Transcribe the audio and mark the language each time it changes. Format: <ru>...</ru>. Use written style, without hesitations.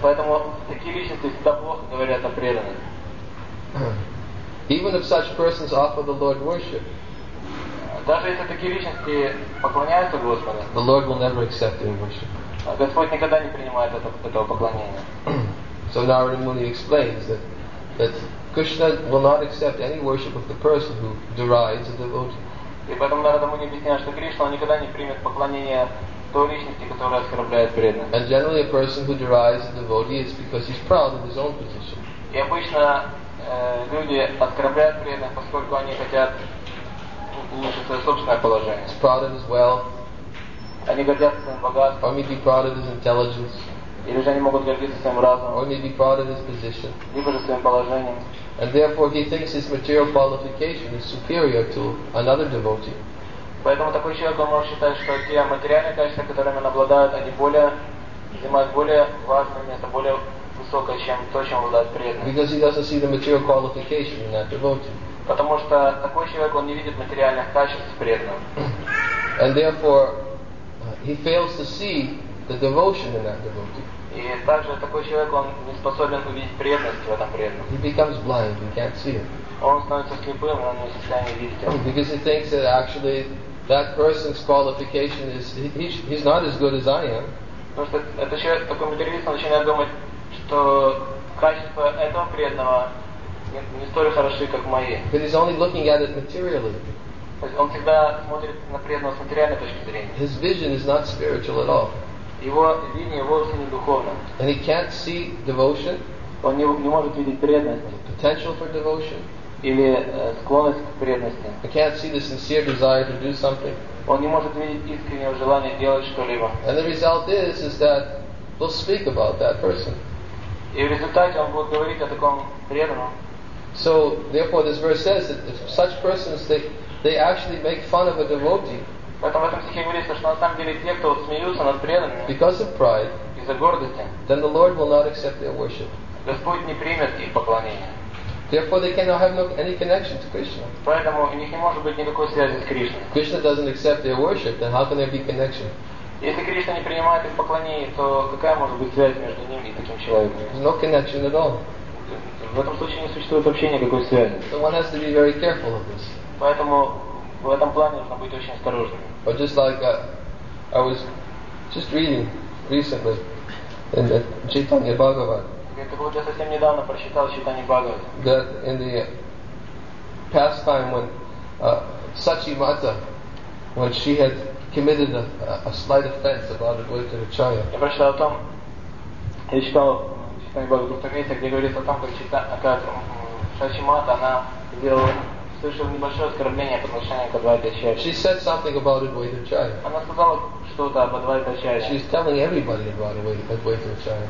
<ru>Поэтому такие личности всегда плохо говорят о преданных.</ru> <en>Even if such persons offer the Lord worship,</en> <ru>даже если такие личности поклоняются Господу,</ru> <en>the Lord will never accept their worship.</en> <ru>Господь никогда не принимает этого поклонения.</ru> <en>So Narada Muni explains that Krishna will not accept any worship of the person who derides a devotee.</en> <ru>И поэтому Нарада Муни объясняет, что Кришна никогда не примет поклонение той личности, которая оскорбляет преданных.</ru> <en>And generally a person who derides a devotee is because he's proud of his own position.</en> <ru>И обычно люди оскорбляют преданных, поскольку они хотят улучшить свое собственное положение.</ru> <en>He's proud of his wealth.</en> <ru>Они гордятся своим богатством.</ru> <en>Or maybe proud of his intelligence.</en> <ru>Или же они могут гордиться своим разумом.</ru> <en>Or maybe proud of his position.</en> <ru>Либо же своим положением.</ru> <en>And therefore he thinks his material qualification is superior to another devotee.</en> <ru>Поэтому такой человек может считать, что те материальные качества, которыми он обладает, они более занимают более важное место, более высокое, чем то, чем обладает преданный.</ru> <en>Because he doesn't see the material qualification in that devotee.</en> <ru>Потому что такой человек, он не видит материальных качеств преданного.</ru> <en>And therefore he fails to see the devotion in that devotee.</en> <ru>И также такой человек, он не способен увидеть преданность в этом преданном.</ru> <en>He becomes blind, he can't see it.</en> <ru>Он становится слепым, он не в состоянии видеть это.</ru> <en>Because he thinks that actually that person's qualification is, he's not as good as I am.</en> <ru>Потому что этот человек, такой материалист, начинает думать, что качество этого преданного не столь хороши, как мои.</ru> <en>But he's only looking at it materially.</en> <ru>То есть он всегда смотрит на преданного с материальной точки зрения.</ru> <en>His vision is not spiritual at all.</en> <ru>Его видение вовсе не духовно.</ru> <en>And he can't see devotion.</en> <ru>Он не может видеть преданность.</ru> <en>Potential for devotion.</en> <ru>Или склонность к преданности.</ru> <en>He can't see the sincere desire to do something.</en> <ru>Он не может видеть искреннее желание делать что-либо.</ru> <en>And the result is that he'll speak about that person.</en> <ru>И в результате он будет говорить о таком преданном.</ru> <en>So therefore, this verse says that if such persons they actually make fun of a devotee.</en> <ru>Поэтому в этом стихе говорится, что на самом деле те, кто смеются над преданными,</ru> <en>because of pride,</en> <ru>из-за гордости,</ru> <en>then the Lord will not accept their worship.</en> <ru>Господь не примет их поклонение.</ru> <en>Therefore, they cannot have any connection to Krishna.</en> <ru>Поэтому у них не может быть никакой связи с Кришной.</ru> <en>Krishna doesn't accept their worship, then how can there be connection?</en> <ru>Если Кришна не принимает их поклонение, то какая может быть связь между ними и таким человеком?</ru> <en>There's no connection at all.</en> <ru>В этом случае не существует вообще никакой связи.</ru> <en>So one has to be very careful of this.</en> <ru>Поэтому в этом плане нужно быть очень осторожным.</ru> <en>But just like I was just reading recently in the Chaitanya Bhagavat.</en> <ru>Я совсем недавно прочитал Чайтанья Бхагават.</ru> <en>That in the past time when Sachi Mata, when she had committed a slight offense about a boy to the child.</en> <ru>Я прочитал о том, я читал Чайтанья Бхагават в том месте, где говорится о том, как Сачи Мата, она сделала слышал небольшое оскорбление по отношению к Адвайта Ачарье.</ru> <en>She said something about Advaita Acharya.</en> <ru>Она сказала что-то об Адвайта Ачарье.</ru> <en>She's telling everybody about Advaita Acharya.</en>